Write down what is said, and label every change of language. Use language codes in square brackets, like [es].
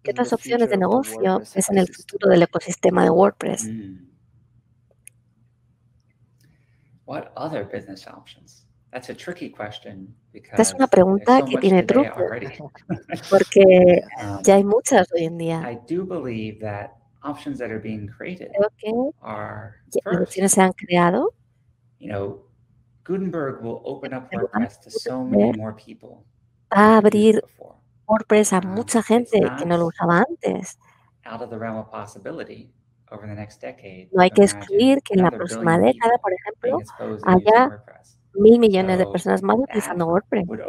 [es] ¿Qué otras opciones de negocio es en el futuro del ecosistema de WordPress? [en] What other business options? That's a tricky question because [es] esta es una pregunta que tiene truco porque ya hay muchas hoy en día. [en] I do believe that options that are being created [es] las opciones se han creado. [en] Gutenberg will open up WordPress to so many more people. [es] Va a abrir WordPress a mucha gente que no lo usaba antes. [en] Out of the realm of possibility, over the next decade, [es] no hay que excluir que en la próxima década, por ejemplo, haya 1,000,000,000 de personas más utilizando WordPress.